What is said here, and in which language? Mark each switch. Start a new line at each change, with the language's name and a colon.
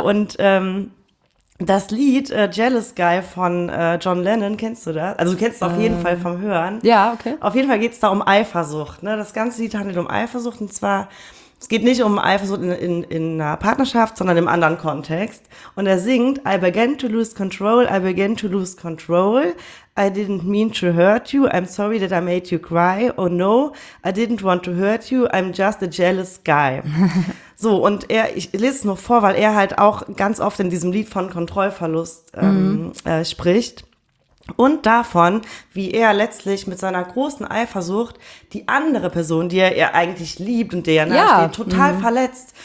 German: Und das Lied Jealous Guy von John Lennon, kennst du das? Also du kennst es auf jeden Fall vom Hören. Ja, okay. Auf jeden Fall geht es da um Eifersucht. Ne? Das ganze Lied handelt um Eifersucht und zwar, es geht nicht um Eifersucht in einer Partnerschaft, sondern im anderen Kontext. Und er singt,
English: I began to lose control, I didn't mean to hurt you, I'm sorry that I made you cry, oh no, I didn't want to hurt you, I'm just a jealous guy.
German: So, und ich lese es nur vor, weil er halt auch ganz oft in diesem Lied von Kontrollverlust spricht. Und davon, wie er letztlich mit seiner großen Eifersucht die andere Person, die er eigentlich liebt und der nahesteht, total verletzt.